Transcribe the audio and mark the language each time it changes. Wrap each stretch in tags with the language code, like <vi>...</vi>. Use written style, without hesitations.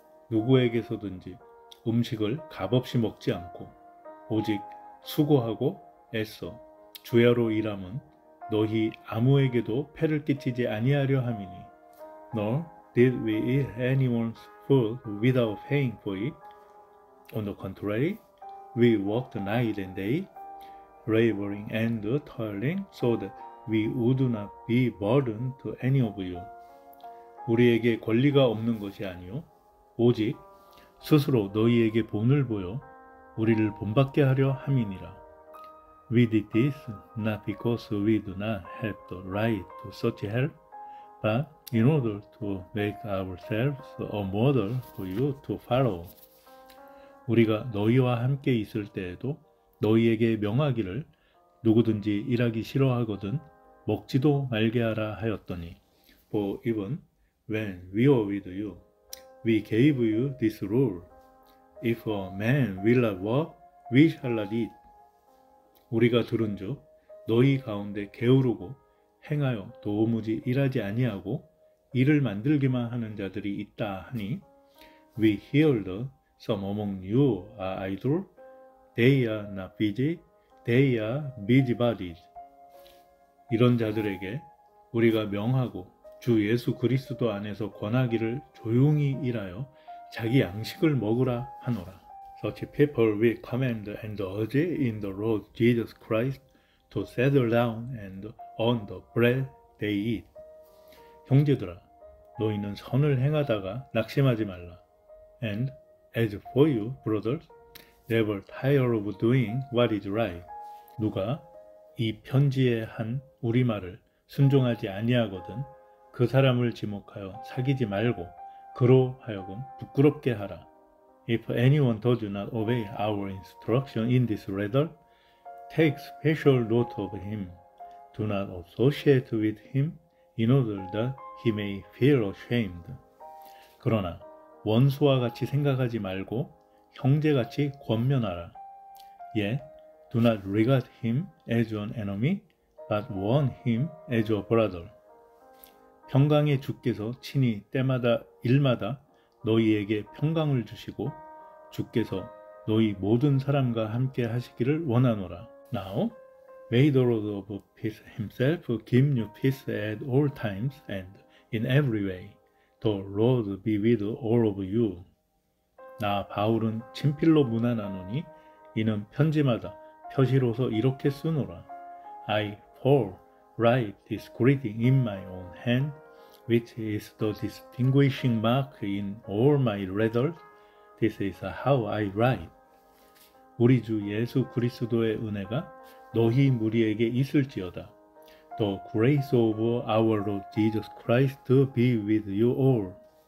<ko>누구에게서든지 음식을 값없이 먹지 않고 오직 수고하고 애써 주야로 일함은 너희 아무에게도 폐를 끼치지 아니하려 함이니</ko> <en>Nor did we eat anyone's food without paying for it. On the contrary, we worked night and day, laboring and toiling so that we would not be burdened to any of you.</en> <ko>우리에게 권리가 없는 것이 아니요 오직 스스로 너희에게 본을 보여 우리를 본받게 하려 함이니라.</ko> <en>We did this not because we do not have the right to such help, but in order to make ourselves a model for you to follow.</en> <ko>우리가 너희와 함께 있을 때에도 너희에게 명하기를 누구든지 일하기 싫어하거든 먹지도 말게 하라 하였더니</ko> <en>For even when we were with you, we gave you this rule. If a man will not work, we shall not eat.</en> <ko>우리가 들은즉 너희 가운데 게으르고 행하여 도무지 일하지 아니하고 일을 만들기만 하는 자들이 있다 하니</ko> <en>We hear that some among you are idle. They are not busy. They are busybodies.</en> <ko>이런 자들에게 우리가 명하고 주 예수 그리스도 안에서 권하기를 조용히 일하여 자기 양식을 먹으라 하노라.</ko> <en>Such people we command and urge in the Lord Jesus Christ to settle down and earn the bread they eat.</en> <ko>형제들아, 너희는 선을 행하다가 낙심하지 말라.</ko> <en>And as for you, brothers, never tire of doing what is right.</en> <ko>누가 이 편지에 한 우리말을 순종하지 아니하거든 그 사람을 지목하여 사귀지 말고 그로 하여금 부끄럽게 하라.</ko> <en>If anyone does not obey our instruction in this letter, take special note of him. Do not associate with him in order that he may feel ashamed.</en> <ko>그러나 원수와 같이 생각하지 말고 형제같이 권면하라.</ko> <en>Yet, do not regard him as an enemy, but warn him as a brother.</en> <ko>평강의 주께서 친히 때마다 일마다 너희에게 평강을 주시고 주께서 너희 모든 사람과 함께 하시기를 원하노라. Now,</ko> <en>May the Lord of Peace himself give you peace at all times and in every way. The Lord be with all of you.</en> <ko>나 바울은 친필로 문안하노니 이는 편지마다 표시로서 이렇게 쓰노라.</ko> <en>I, Paul, write this greeting in my own hand, which is the distinguishing mark in all my letters. This is how I write.</en> <ko>우리 주 예수 그리스도의 은혜가 너희 무리에게 있을지어다.</ko> <en>The grace of our Lord Jesus Christ be with you all.</en>